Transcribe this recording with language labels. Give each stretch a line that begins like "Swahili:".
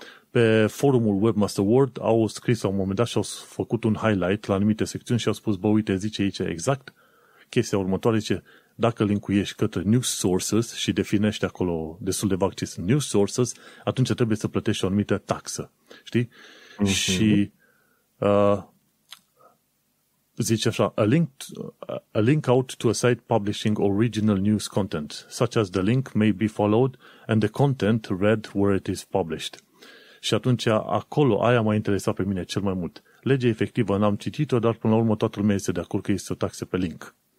Romanian: Pe forumul Webmaster World au scris la un moment dat și au făcut un highlight la anumite secțiuni și au spus, bă, uite, zice aici exact chestia următoare, zice, dacă linkuiești către news sources și definești acolo destul de vag ce sunt news sources, atunci trebuie să plătești o anumită taxă, știi? Și zice așa,
English: a link out to a site publishing original news content, such as the link may be followed and the content read where it is published.
Romanian: Și atunci acolo, aia m-a interesat pe mine cel mai mult. Legea efectivă n-am citit-o, dar până la urmă toată lumea este de acord că este o taxă pe link.